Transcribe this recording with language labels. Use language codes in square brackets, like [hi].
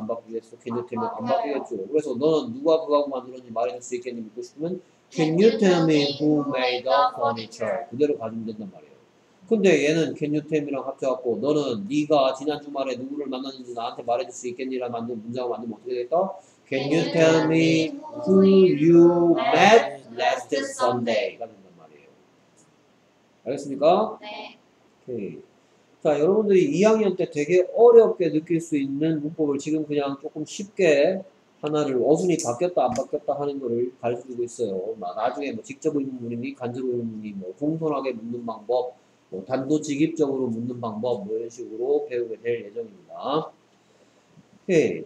[ko] 안 바뀌겠어? [en] Can you tell me? [ko] 안 바뀌겠죠. 그래서 너는 누가 그거하고 만들었는지 말해줄 수 있겠니 묻고 싶으면 [en] Can you tell me who made the furniture? [ko] 그대로 가지면 된단 말이에요. 근데 얘는 [en] Can you tell me [ko] 랑 합쳐갖고 너는 네가 지난 주말에 누구를 만났는지 나한테 말해줄 수 있겠니? 라는 문장을 만들면 어떻게 되겠다? [en] Can you tell me who you met last Sunday? [ko] 라는 말이에요. 알겠습니까? 네. 오케이. 자, 여러분들이 2학년 때 되게 어렵게 느낄 수 있는 문법을 지금 그냥 조금 쉽게 하나를 어순이 바뀌었다 안 바뀌었다 하는 거를 가르쳐주고 있어요. 나중에 뭐 직접 의문문이니 간접 의문문이니 뭐 공손하게 묻는 방법, 뭐 단도직입적으로 묻는 방법 뭐 이런 식으로 배우게 될 예정입니다. 오케이.